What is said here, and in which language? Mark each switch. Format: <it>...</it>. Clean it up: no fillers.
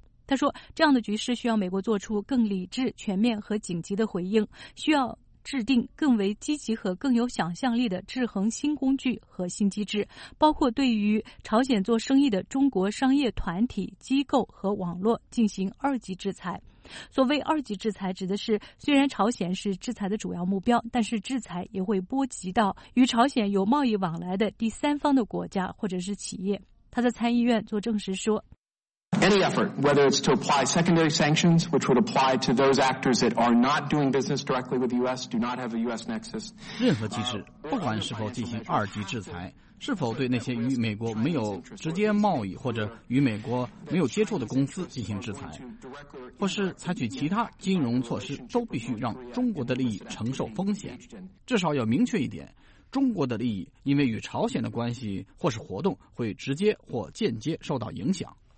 <zh>他说，这样的局势需要美国做出更理智、全面和紧急的回应，需要制定更为积极和更有想象力的制衡新工具和新机制，包括对于朝鲜做生意的中国商业团体、机构和网络进行二级制裁。所谓二级制裁，指的是虽然朝鲜是制裁的主要目标，但是制裁也会波及到与朝鲜有贸易往来的第三方的国家或者是企业。他在参议院作证时说，</zh> <en>Any effort, whether it's to apply secondary sanctions, which would apply to those actors that are not doing business directly with the U.S., do not have a U.S. nexus.</en> <zh>任何机制，不管是否进行二级制裁，是否对那些与美国没有直接贸易或者与美国没有接触的公司进行制裁，或是采取其他金融措施，都必须让中国的利益承受风险。至少要明确一点，中国的利益因为与朝鲜的关系或是活动会直接或间接受到影响。</zh>